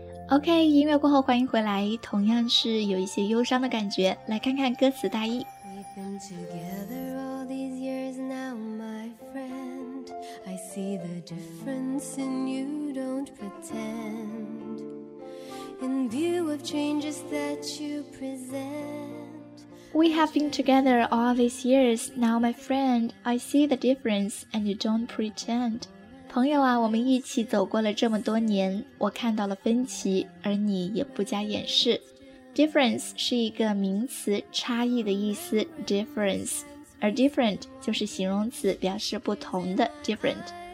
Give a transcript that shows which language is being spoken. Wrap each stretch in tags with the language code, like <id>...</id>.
<zh>OK， 音乐过后欢迎回来，同样是有一些忧伤的感觉，来看看歌词大意。</zh> <en>We've been together all these years now, my friend. I see the difference in you, don't pretend. In view of changes that you present. We have been together all these years, now my friend. I see the difference and you don't pretend.</en> <zh>朋友啊，我们一起走过了这么多年，我看到了分歧，而你也不加掩饰。 Difference 是一个名词，差异的意思， difference， 而 different 就是形容词，表示不同的， different。</zh>